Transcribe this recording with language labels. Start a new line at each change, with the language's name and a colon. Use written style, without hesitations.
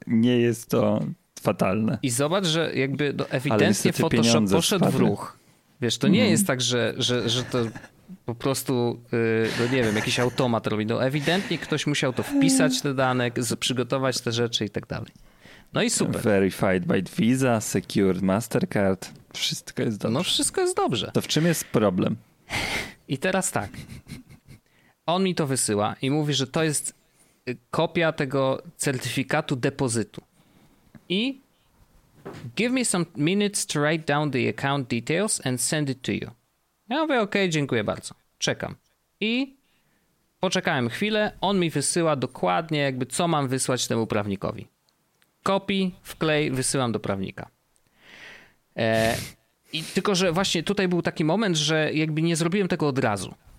Polish: Nie jest to fatalne. I zobacz, że jakby no, ewidentnie Photoshop poszedł spadły. W ruch. Wiesz, to nie jest tak, że to po prostu, no nie wiem, jakiś automat robi. No ewidentnie ktoś musiał to wpisać, te dane, przygotować te rzeczy i tak dalej. No i super. Verified by Visa, Secured Mastercard. Wszystko jest dobrze. No wszystko jest dobrze. To w czym jest problem? I teraz tak. On mi to wysyła i mówi, że to jest kopia tego certyfikatu depozytu.
English: I give me some minutes to write down the account details and send it to you.
Polish: Ja mówię, okej, dziękuję bardzo. Czekam. I poczekałem chwilę. On mi wysyła dokładnie jakby co mam wysłać temu prawnikowi. Kopi, wklej, wysyłam do prawnika. I tylko, że właśnie tutaj był taki moment, że jakby nie zrobiłem tego od razu.